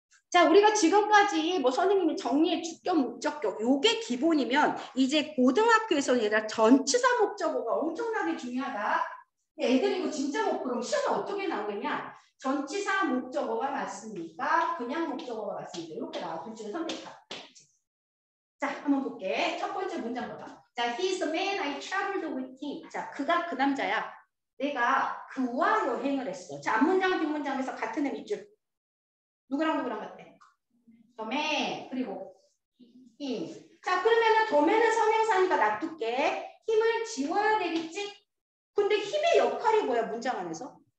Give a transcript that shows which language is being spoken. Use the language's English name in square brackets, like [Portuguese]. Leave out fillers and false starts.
[Korean] 자, 우리가 지금까지 뭐 선생님이 정리해 주격 목적격 요게 기본이면 이제 고등학교에서는 얘들아 전치사 목적어가 엄청나게 중요하다. 애들이 이거 진짜 못 그럼 시험에 어떻게 나오겠냐? 전치사 목적어가 맞습니까? 그냥 목적어가 맞습니까? 이렇게 나와 둘 중에 선택. 자, 한번 볼게. 첫 번째 문장 봐봐. [English] 자, he's a man I traveled with him. [Korean] 자, 그가 그 남자야. 내가 그와 여행을 했어. 자, 앞 문장 뒷 문장에서 같은 의미 줄. 누구랑 누구랑 같대? 도맨 그리고 힘. 자, 그러면은 도맨은 선명사니까 놔둘게. 힘을 지워야 되겠지? 근데 힘의 역할이 뭐야 문장 안에서?